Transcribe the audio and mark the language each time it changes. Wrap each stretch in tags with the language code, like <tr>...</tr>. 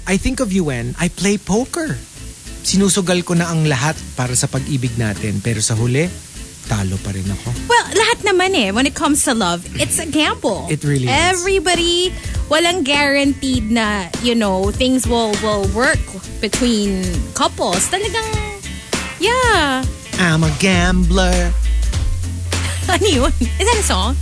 <en>I think of you when I play poker.</en> <tl>Sinusugal ko na ang lahat para sa pag-ibig natin, pero sa huli, talo pa rin ako.</tl> <en>Well,</en> <tl>lahat naman eh,</tl> <en>when it comes to love, it's a gamble. It really Everybody,</en> <tl>walang guaranteed na,</tl> <en>things will work between couples.</en> <tl>Talagang, yeah.</tl> <en>I'm a gambler.</en> <tl>Ano yun?</tl> <en>Is that a song?</en>